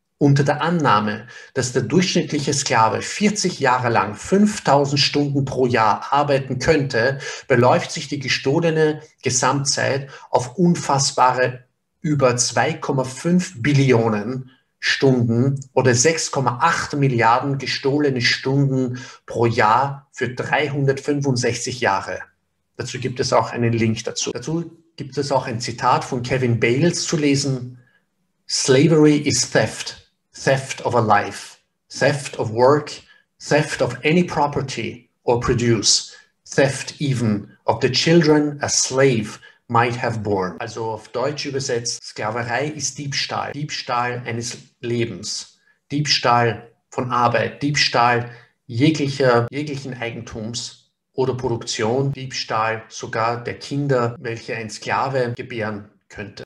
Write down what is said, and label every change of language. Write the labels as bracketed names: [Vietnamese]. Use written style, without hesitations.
[German] Unter der Annahme, dass der durchschnittliche Sklave 40 Jahre lang 5000 Stunden pro Jahr arbeiten könnte, beläuft sich die gestohlene Gesamtzeit auf unfassbare über 2,5 Billionen Stunden oder 6,8 Milliarden gestohlene Stunden pro Jahr für 365 Jahre. Dazu gibt es auch einen Link dazu. Dazu gibt es auch ein Zitat von Kevin Bales zu lesen. [English] Slavery is theft, theft of a life, theft of work, theft of any property or produce, theft even of the children a slave might have born. [German] Also auf Deutsch übersetzt, Sklaverei ist Diebstahl. Diebstahl eines Lebens. Diebstahl von Arbeit. Diebstahl jeglichen Eigentums oder Produktion. Diebstahl sogar der Kinder, welche ein Sklave gebären könnte.